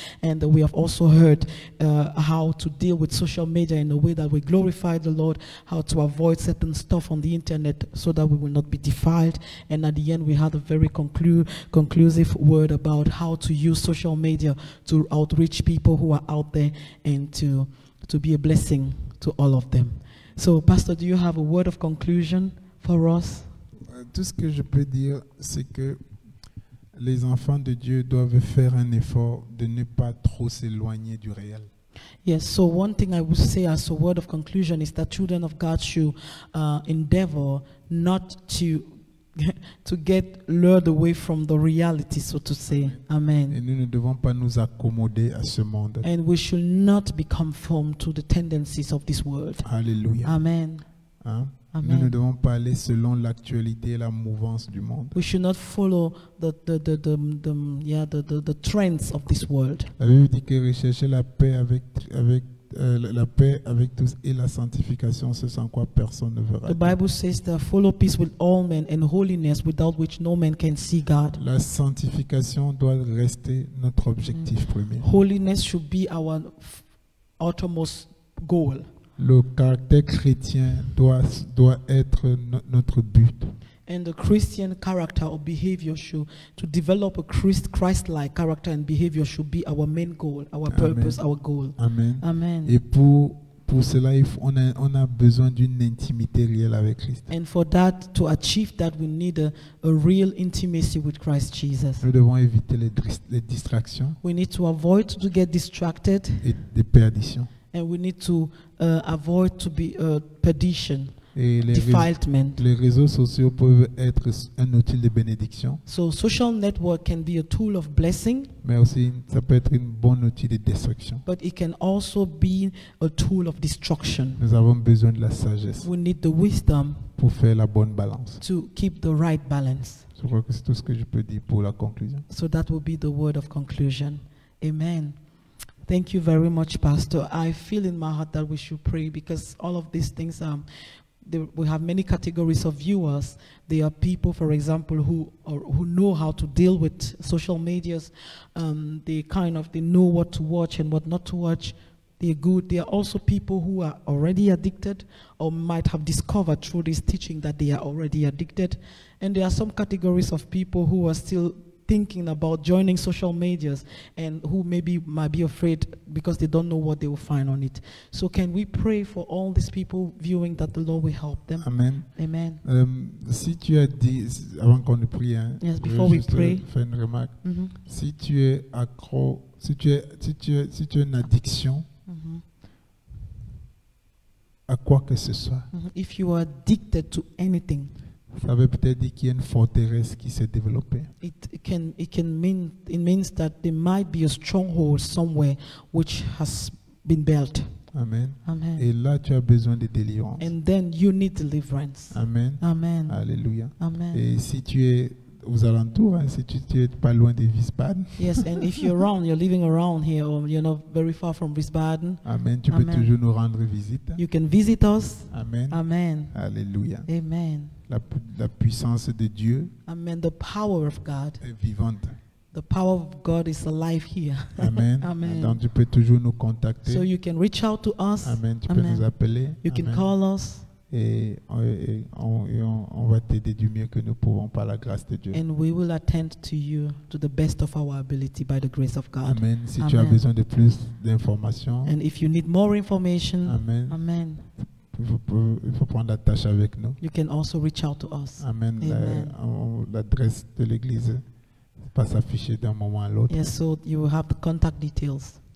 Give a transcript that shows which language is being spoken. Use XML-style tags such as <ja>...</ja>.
<en>And we have also heard how to deal with social media in a way that we glorify the Lord, how to avoid certain stuff on the internet so that we will not be defiled. And at the end, we had a very conclusive word about how to use social media to outreach people who are out there and to be a blessing to all of them. So, Pastor, do you have a word of conclusion for us?</en> <fr>Tout ce que je peux dire, c'est que les enfants de Dieu doivent faire un effort de ne pas trop s'éloigner du réel.</fr> <en>Yes, so one thing I would say as a word of conclusion is that children of God should endeavor not to get lured away from the reality, so to say. Amen.</en> <fr>Et nous ne devons pas nous accommoder à ce monde.</fr> <en>And we should not be conformed to the tendencies of this world.</en> <fr>Alléluia.</fr> <en>Amen.</en> <fr>Hein? Amen. Nous ne devons pas aller selon l'actualité et la mouvance du monde.</fr> <en>We should not follow the trends of this world.</en> <fr>La Bible dit que rechercher la paix avec tous et la sanctification, ce sans quoi personne ne verra.</fr> <en>The Bible says that follow peace with all men and holiness, without which no man can see God.</en> <fr>La sanctification doit rester notre objectif premier.</fr> <en>Holiness should be our uttermost goal.</en> <fr>Le caractère chrétien doit être notre but.</fr> <en>And the Christian character or behavior should, to develop a Christ-like character and behavior should be our main goal, our purpose, Amen. Our goal. Amen. Amen.</en> <fr>Et pour cela, on a besoin d'une intimité réelle avec Christ.</fr> <en>And for that, to achieve that, we need a real intimacy with Christ Jesus.</en> <fr>Nous devons éviter les distractions.</fr> <en>We need to avoid to get distracted.</en> <fr>Et des perditions.</fr> <en>And we need to avoid to be perdition.</en> <fr>Et les réseaux sociaux peuvent être un outil de bénédiction.</fr> <en>So social network can be a tool of blessing.</en> <fr>Mais aussi, ça peut être un bon outil de destruction.</fr> <en>But it can also be a tool of destruction.</en> <fr>Nous avons besoin de la sagesse.</fr> <en>We need the wisdom</en> <fr>pour faire la bonne balance.</fr> <en>To keep the right balance.</en> <fr>Je crois que c'est tout ce que je peux dire pour la conclusion.</fr> <en>So that will be the word of conclusion. Amen. Thank you very much, Pastor. I feel in my heart that we should pray because all of these things are. We have many categories of viewers. There are people, for example, who know how to deal with social medias. They know what to watch and what not to watch. They're good. There are also people who are already addicted or might have discovered through this teaching that they are already addicted. And there are some categories of people who are still thinking about joining social medias and who maybe might be afraid because they don't know what they will find on it. So can we pray for all these people viewing that the Lord will help them? Amen. Amen.</en> <fr>Si tu as dit, avant qu'on ne prie, hein,</fr> <en>yes, before we pray,</en> <fr>faire une remarque. Mm-hmm. Si tu es accro, si tu es une addiction, mm-hmm, à quoi que ce soit.</fr> <en>Mm-hmm. If you are addicted to anything.</en> <fr>Ça veut peut-être dire qu'il y a une forteresse qui s'est développée.</fr> <en>It means that there might be a stronghold somewhere which has been built. Amen. Amen.</en> <fr>Et là, tu as besoin de délivrance.</fr> <en>And then you need deliverance. Amen. Amen.</en> <fr>Alléluia.</fr> <en>Amen.</en> <fr>Et si tu es aux alentours, hein, si tu es pas loin de Wiesbaden.</fr> <en>Yes, and if you're around, you're living around here, or you're not very far from Wiesbaden.</en> <fr>Amen. Tu Amen. Peux toujours nous rendre visite.</fr> <en>You can visit us. Amen. Amen.</en> <fr>Alléluia.</fr> <en>Amen.</en> <fr>La puissance de Dieu.</fr> <en>Amen. The power of God.</en> <fr>Est vivante.</fr> <en>The power of God is alive here. Amen. Amen.</en> <fr>Donc tu peux toujours nous contacter.</fr> <en>So you can reach out to us.</en> <fr>Amen. Tu Amen. Peux nous appeler.</fr> <en>You Amen. Can call us.</en> <fr>Et on va t'aider du mieux que nous pouvons par la grâce de Dieu.</fr> <en>And we will attend to you to the best of our ability by the grace of God. Amen.</en> <fr>Si Amen. Tu as besoin de plus d'informations.</fr> <en>And if you need more information. Amen. Amen.</en> <fr>Il faut prendre la tâche avec nous.</fr> <en>You can also reach out to us. Amen. Amen.</en> <fr>L'adresse de l'église va s'afficher d'un moment à l'autre.</fr> <en>Yes, so you will have the contact details.</en>